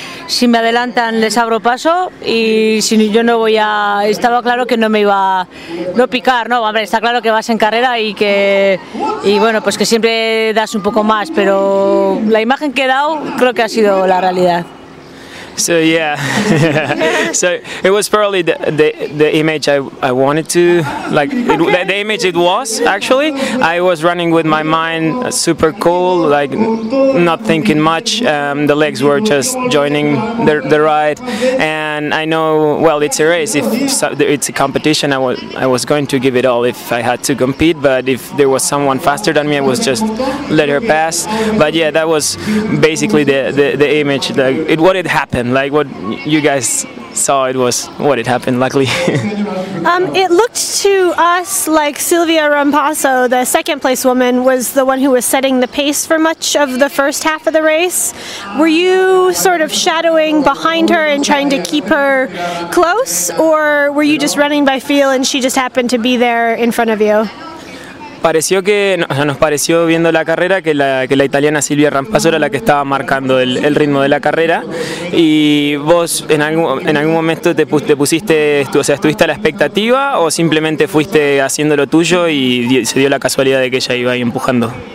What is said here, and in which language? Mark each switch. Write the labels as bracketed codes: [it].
[es] Si me adelantan les abro paso y si yo no voy a... Estaba claro que no me iba a no picar, ¿no? Hombre, está claro que vas en carrera y que siempre das un poco más, pero la imagen que he dado creo que ha sido la realidad. [en] So yeah, so it was probably the image I wanted to, like, the image it was actually. I was running with my mind super cool, like not thinking much. The legs were just joining the ride, and I know, well, it's a race. If it's a competition, I was going to give it all if I had to compete. But if there was someone faster than me, I was just let her pass. But yeah, that was basically the image, like it what it happened. Like what you guys saw, it was what it happened, luckily. It looked to us like Silvia Rampasso, the second place woman, was the one who was setting the pace for much of the first half of the race. Were you sort of shadowing behind her and trying to keep her close, or were you just running by feel and she just happened to be there in front of you? [es] Pareció que, o sea, nos pareció viendo la carrera que la italiana Silvia Rampasso era la que estaba marcando el ritmo de la carrera, y vos en algún momento estuviste a la expectativa, o simplemente fuiste haciendo lo tuyo y se dio la casualidad de que ella iba ahí empujando.